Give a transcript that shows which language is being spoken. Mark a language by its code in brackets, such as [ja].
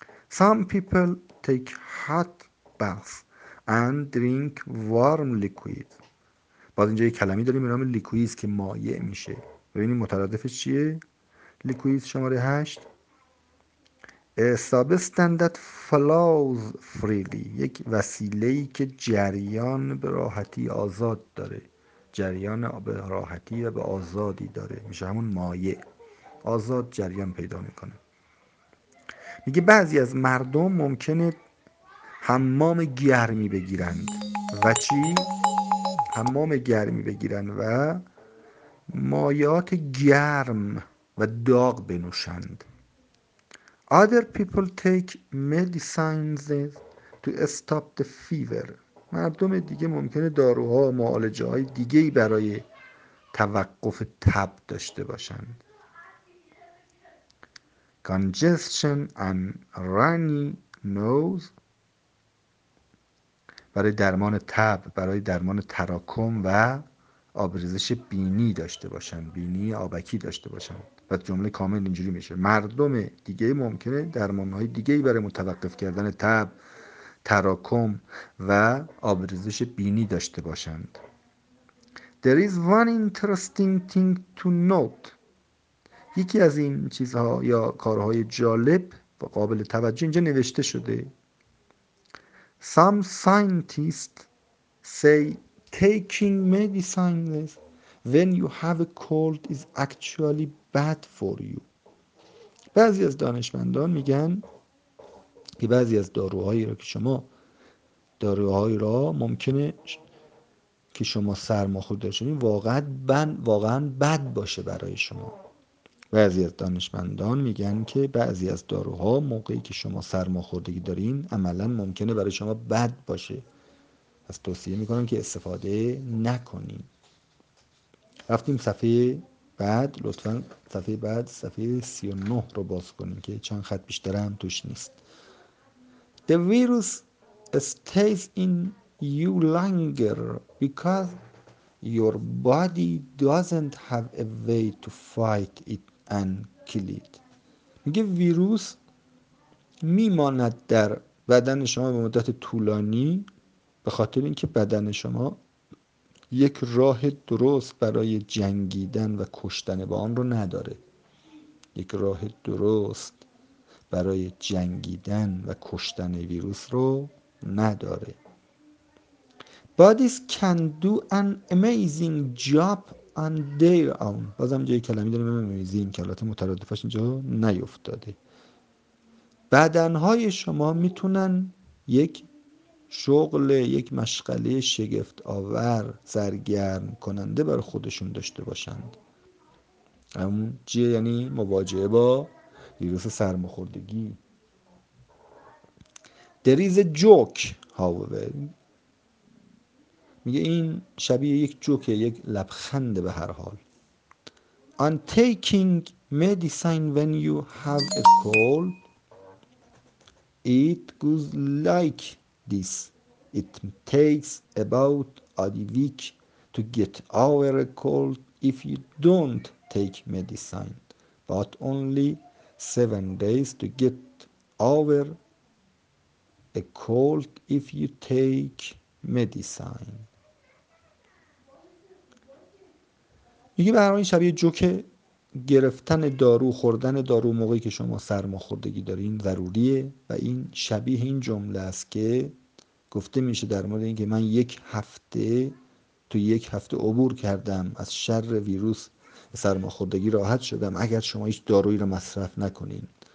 [en] Some people take hot baths and drink warm liquid. [fa] باز اینجا یک کلمی داریم به نام لیکویز که مایع میشه. ببینیم مترادفش چیه؟ لیکویز شماره 8. [en] Substance that flows freely. [fa] یک وسیله‌ای که جریان به راحتی آزاد داره. جریان به راحتی و به آزادی داره. میشه همون مایع. آزاد جریان پیدا میکنه. میگه بعضی از مردم ممکنه حمام گرمی بگیرند. و چی؟ حمام گرمی بگیرند و مایعات گرم و داغ بنوشند. [en] Other people take medicines to stop the fever. [fa] مردم دیگه ممکنه داروها و معالجه های دیگه برای توقف تب داشته باشند. [en] Congestion and runny nose [fa] برای درمان تب، برای درمان تراکم و آبریزش بینی داشته باشند، بینی آبکی داشته باشند. و جمله کامل اینجوری میشه: مردم دیگه ممکنه درمانهای دیگه برای متوقف کردن تب، تراکم و آبریزش بینی داشته باشند. [en] There is one interesting thing to note. [fa] یکی از این چیزها یا کارهای جالب و قابل توجه اینجا نوشته شده. [en] Some scientists say taking medicines when you have a cold is actually bad for you. [fa] بعضی از دانشمندان میگن که بعضی از داروهایی را که شما داروهایی را ممکنه که شما سرماخورد داشته باشید واقعا بد باشه برای شما. بعضی از دانشمندان میگن که بعضی از داروها موقعی که شما سرماخوردگی دارین عملا ممکنه برای شما بد باشه. پس توصیه میکنم که استفاده نکنین. رفتیم صفحه بعد، لطفا صفحه بعد، صفحه 39 رو باز کنیم که چند خط بیشتر هم توش نیست. [en] The virus stays in you longer because your body doesn't have a way to fight it and kill it. [fa] میگه ویروس میماند در بدن شما به مدت طولانی به خاطر اینکه بدن شما یک راه درست برای جنگیدن و کشتن با آن رو نداره. یک راه درست برای جنگیدن و کشتن ویروس رو نداره. [en] Bodies can do an amazing job on their own. [fa] بازم جای کلمی داریم میزیم که حالات مترادفش اینجا نیفتاده. بدنهای شما میتونن یک شغل، یک مشغله شگفت آور، سرگرم کننده برای خودشون داشته باشند. همون چیه؟ یعنی مواجهه با ویروس سرماخوردگی. [en] There is a joke, however. [fa] میگه این شبیه یک جوکه، یک لبخنده به هر حال. [en] On taking medicine when you have a cold, it goes like this. It takes about a week to get over a cold if you don't take medicine, but only 7 days to get over a cold if you take medicine. [fa] میگه به هر حال این شبیه جوکه. گرفتن دارو، خوردن دارو موقعی که شما سرماخوردگی دارین ضروریه و این شبیه این جمله است که گفته میشه در مورد اینکه من یک هفته عبور کردم از شر ویروس سرماخوردگی، راحت شدم اگر شما هیچ دارویی را مصرف نکنین.